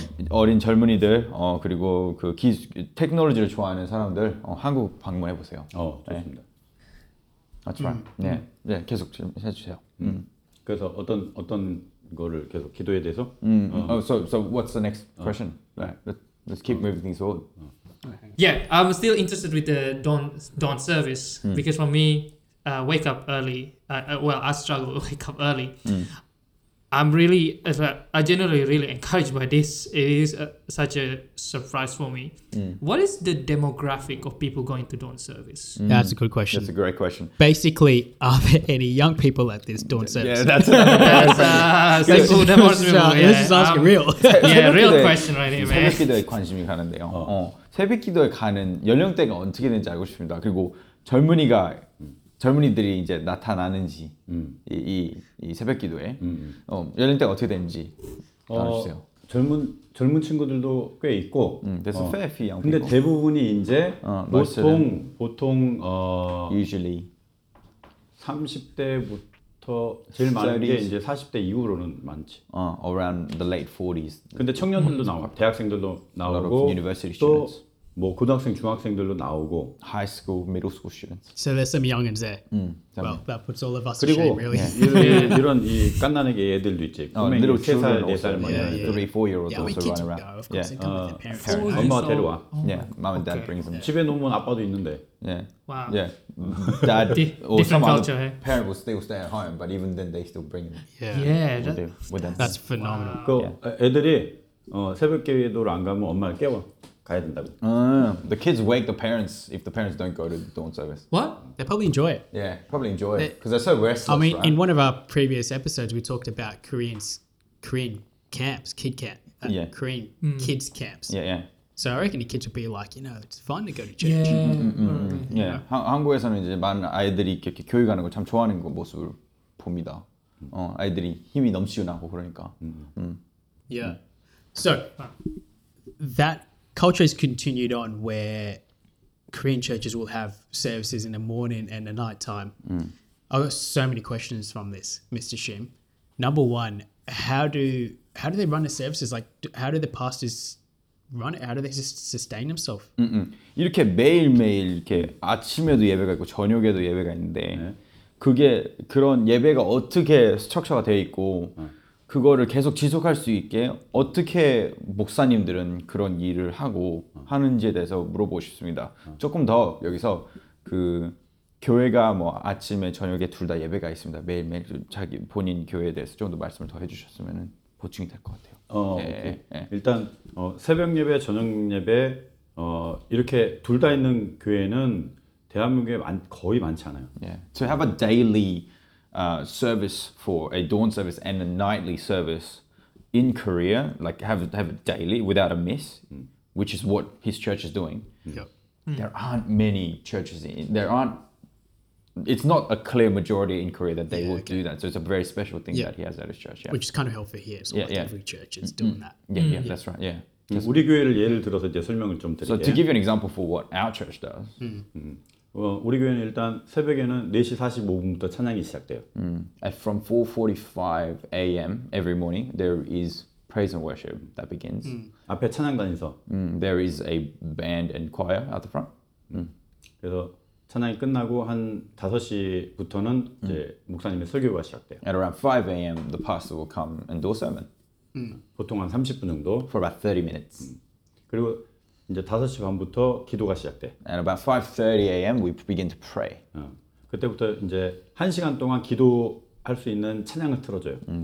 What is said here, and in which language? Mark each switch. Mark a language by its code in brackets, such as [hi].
[ko] 어린 젊은이들 그리고 그 테크놀로지를 좋아하는 사람들 한국 방문해 보세요. 좋습니다. 예. [en] That's right. [ko] 네, 네 계속 질문해 주세요. 그래서 어떤 거를 계속 기도에 대해서. [en] So what's the next question? Right. Let's keep moving things forward. Yeah, I'm still interested with the dawn service because for me, wake up early. I struggle to wake up early. I'm really, I generally really encouraged by this. It is such a surprise for me. What is the demographic of people going to dawn service? That's a good question. That's a great question. Basically, are there any young people at this dawn service? Yeah, that's a cool demographic. This is asking real. Yeah, real question right here, man. [ko] 새벽 기도에 관심이 가는데요. 새벽 기도에 가는 연령대가 어떻게 되는지 알고 싶습니다. 그리고 젊은이가 젊은이들이 이제 나타나는지 이 새벽 기도에 연령대가 어떻게 되는지 알려주세요. 젊은 친구들도 꽤 있고. [en] There's a fair few young. [ko] 근데 [en] people. [ko] 대부분이 이제 보통 [en] usually [ko] 30대부터 제일 많은 게 이제 40대 이후로는 많지. [en] Around the late 40s. [ko] 근데 청년들도 나와. 대학생들도 나오고. [en] A lot of university students. [ko] 뭐 고등학생 중학생들로 나오고 [en] high school, middle school students. So there's some youngins there. Well, that puts all of us. [ko] 그리고 [en] to shame, really. [ko] 그리고 이런 이 깐나는 애들도 있지. 그러면 3살 뭐냐, [en] 3-4-year-olds also run around. Yeah, [ko] 엄마 데려와. [en] Yeah, mom and dad brings them. [ko] 집에 놓으면 아빠도 있는데. [en] Yeah. Wow. Yeah. Dad or some other parent will still stay at home, but even then they still bring them. Yeah. That's phenomenal. [ko] 그 애들이 새벽 기도를 안 가면 엄마를 깨워. 가야 된다고. [en] The kids wake the parents if the parents don't go to the dawn service. What? They probably enjoy it. Yeah, probably enjoy it because they're so restless. I mean, right? In one of our previous episodes, we talked about Korean camps, kid camp, Korean kids camps. Yeah, yeah. So I reckon the kids would be like, you know, it's fun to go to church. Yeah. Yeah. [ko] 한국에서는 이제 많은 아이들이 이렇게 교육 가는 걸 참 좋아하는 거 모습을 봅니다. 아이들이 힘이 넘치고 그러니까. [en] So that culture has continued on where Korean churches will have services in the morning and the night time. I got so many questions from this, Mr. Shim. Number one, how do they run the services? Like, how do the pastors run it? How do they sustain themselves? [ko] 이렇게 매일매일 이렇게 아침에도 예배가 있고 저녁에도 예배가 있는데 네. 그게 그런 예배가 어떻게 스트럭처가 되어 있고 그거를 계속 지속할 수 있게 어떻게 목사님들은 그런 일을 하고 하는지에 대해서 물어보고 싶습니다. 조금 더 여기서 그 교회가 뭐 아침에 저녁에 둘 다 예배가 있습니다. 매일매일 자기 본인 교회에 대해서 좀 더 말씀을 더 해주셨으면 보충이 될 것 같아요. 일단 새벽 예배, 저녁 예배 이렇게 둘 다 있는 교회는 대한민국에 거의 많지 않아요. [en] Yeah. To have a daily service for a dawn service and a nightly service in Korea, like have it daily without a miss, which is what his church is doing. There aren't many churches it's not a clear majority in Korea that they do that. So it's a very special thing that he has at his church. Yeah. Which is kind of helpful here. So every church is doing that. Yeah, yeah, that's right. Yeah. [ko] 우리 교회를 예를 들어서 이제 설명을 좀 드릴게요. [en] So to give you an example for what our church does. [ko] 우리 교회는 일단 새벽에는 4시 45분부터 찬양이 시작돼요. [en] From 4:45 a.m. every morning, there is praise and worship that begins. [ko] 앞에 찬양단에서. [en] There is a band and choir at the front. [ko] 그래서 찬양이 끝나고 한 5시부터는 이제 목사님의 설교가 시작돼요. [en] At around 5 a.m., the pastor will come and do a sermon. [ko] 보통 한 30분 정도. [en] For about 30 minutes. [ko] 그리고 이제 5시 반부터 기도가 시작돼. [en] And about 5:30 a.m. we begin to pray. [ko] 그때부터 이제 1시간 동안 기도할 수 있는 찬양을 틀어줘요.